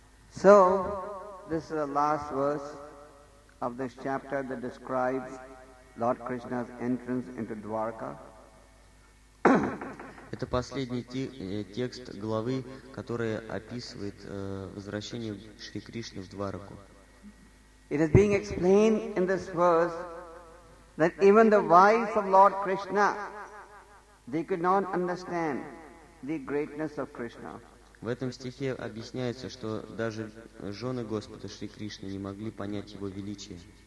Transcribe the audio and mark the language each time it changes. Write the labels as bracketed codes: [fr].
[en] So, this is the last verse of this chapter that describes Lord Krishna's entrance into Dwarka. [ru] Это последний текст главы, который описывает возвращение Шри Кришны в Дварку. [en] It is being explained in this verse that even the wife of Lord Krishna, they could not understand the greatness of Krishna. [ru] В этом стихе объясняется, что даже жены Господа Шри Кришны не могли понять Его величие.